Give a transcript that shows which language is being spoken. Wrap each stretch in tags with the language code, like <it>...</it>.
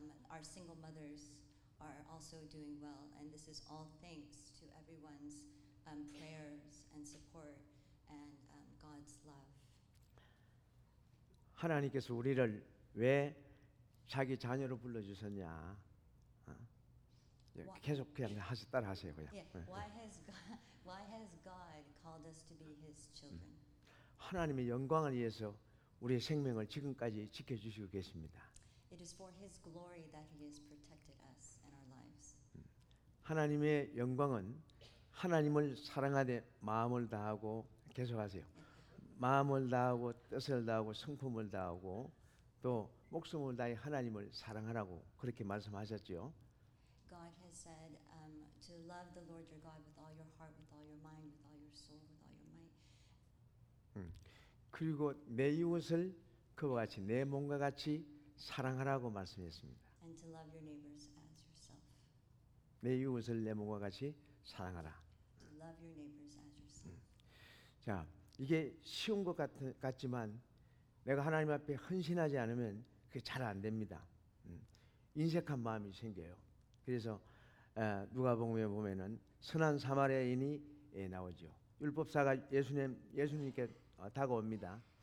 <en>Our single mothers are also doing well, and this is all thanks to everyone's prayers and support and God's love.</en> <ko>하나님께서 우리를 왜 자기 자녀로 불러주셨냐? 계속 그냥 하시 따라 하세요 그냥.</ko> <en>Yeah. Why has God called us to be His children?</en> <ko>하나님의 영광을 위해서 우리의 생명을 지금까지 지켜 주시고 계십니다.</ko> <en>It is for His glory that He has protected us and our lives.</en> <ko>하나님의 영광은 하나님을 사랑하되 마음을 다하고 계속 하세요. 마음을 다하고 뜻을 다하고 성품을 다하고 또 목숨을 다해 하나님을 사랑하라고 그렇게 말씀하셨지요.</ko> <en>God has said to love the Lord your God with all your heart, with all your mind, with all your soul, with all your might.</en> <ko>그리고 내 이웃을 그와 같이 내 몸과 같이 사랑하라고 말씀했습니다.</ko> <en>And to love your neighbors as yourself.</en> <ko>내 이웃을 내 몸과 같이 사랑하라.</ko> <en>To love your neighbors as yourself.</en> <ko>자, 이게 쉬운 것 같지만 내가 하나님 앞에 헌신하지 않으면 그게 잘 안 됩니다. 인색한 마음이 생겨요. 그래서 누가복음에 보면은 선한 사마리아인이 나오죠. 율법사가 예수님께 다가옵니다.</ko>